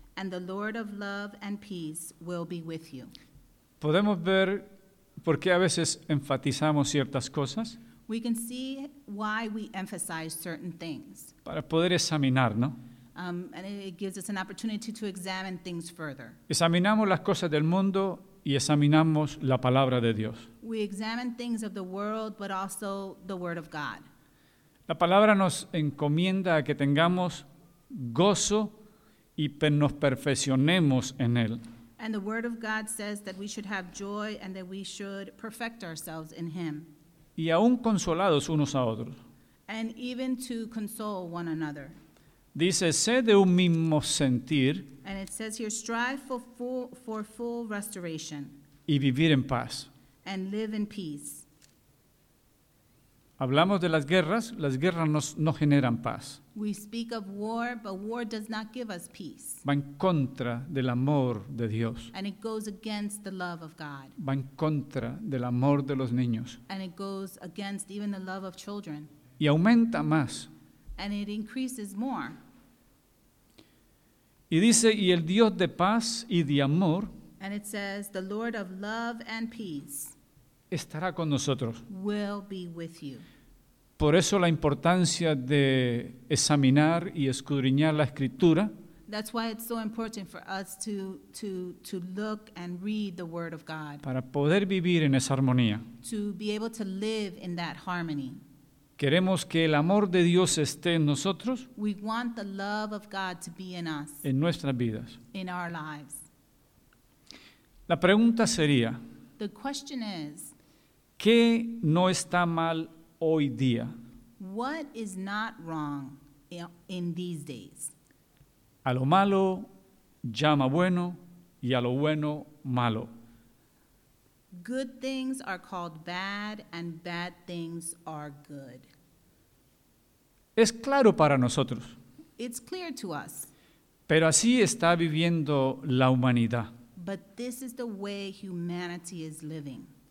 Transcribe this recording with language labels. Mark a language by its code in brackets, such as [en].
[en] And the Lord of love and peace will be with you. [es] Podemos ver por qué a veces enfatizamos ciertas cosas. [en] We can see why we emphasize certain things. [es] Para poder examinar, ¿no? [en] And it gives us an opportunity to examine things further. [es] Examinamos las cosas del mundo y examinamos la palabra de Dios. [en] We examine things of the world, but also the word of God. [es] La palabra nos encomienda a que tengamos gozo y nos perfeccionemos en él. [en] And the word of God says that we should have joy and that we should perfect ourselves in him. [es] Y aún consolados unos a otros. [en] And even to console one another. [es] Dice, sé de un mismo sentir. [en] And it says here, strive for full restoration. [es] Y vivir en paz. [en] And live in peace. [es] Hablamos de las guerras no generan paz. [en] We speak of war, but war does not give us peace. [es] Va en contra del amor de Dios. [en] And it goes against the love of God. [es] Va en contra del amor de los niños. [en] And it goes against even the love of children. [es] Y aumenta más. [en] And it increases more. [es] Y dice, y el Dios de paz y de amor. [en] And it says, the Lord of love and peace. [es] Estará con nosotros. [en] Will be with you. [es] Por eso la importancia de examinar y escudriñar la Escritura. [en] That's why it's so important for us to look and read the Word of God. [es] Para poder vivir en esa armonía. [en] To be able to live in that harmony. [es] Queremos que el amor de Dios esté en nosotros. [en] We want the love of God to be in us. [es] En nuestras vidas. [en] In our lives. [es] La pregunta sería. [en] The question is. [es] ¿Qué no está mal hoy día? [en] What is not wrong in these days? [es] A lo malo llama bueno y a lo bueno malo. [en] Good things are called bad and bad things are good. [es] Es claro para nosotros. [en] It's clear to us. [es] Pero así está viviendo la humanidad. [en] But this is the way humanity is living.